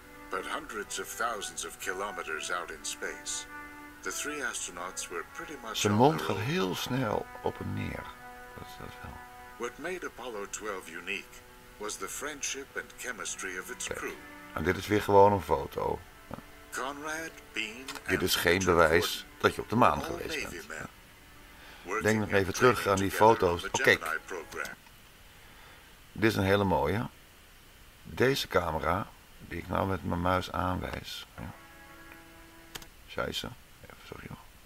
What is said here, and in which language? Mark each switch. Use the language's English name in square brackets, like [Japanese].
[English] But hundreds of thousands of kilometers out in space, the three astronauts were pretty much. [Dutch] Zijn mond gaat heel snel op en neer. Dat wel. [English] What made Apollo 12 unique was the friendship and chemistry of its crew. [Dutch] En dit is weer gewoon een foto. Conrad, Bean, dit is geen bewijs dat je op de maan geweest bent. Denk nog even terug aan die foto's. Oké. Dit is een hele mooie. Deze camera. Die ik nou met mijn muis aanwijs. Ja. Scheisse. Even, sorry hoor.